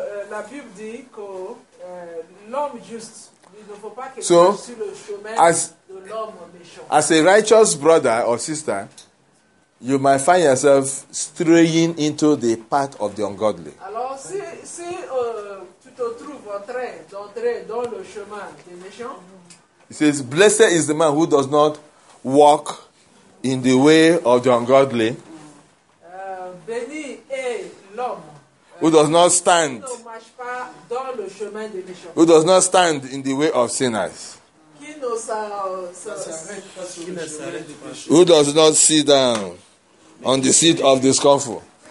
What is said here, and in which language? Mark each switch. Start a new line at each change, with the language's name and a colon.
French: La Bible dit que l'homme juste, il ne faut pas qu'il soit sur le chemin de l'homme méchant.
English: As a righteous brother or sister, you might find yourself straying into the path of the ungodly.
French: Alors, si tu te trouves en train d'entrer dans le chemin des méchants,
English: it says, blessed is the man who does not walk in the way of the ungodly.
French: Béni est l'homme
English: who does not stand,
French: qui ne marche pas dans le chemin des méchants.
English: Who does not stand in the way of sinners.
French: Qui ne s'arrête pas.
English: Who does not sit down on the seat of the scornful.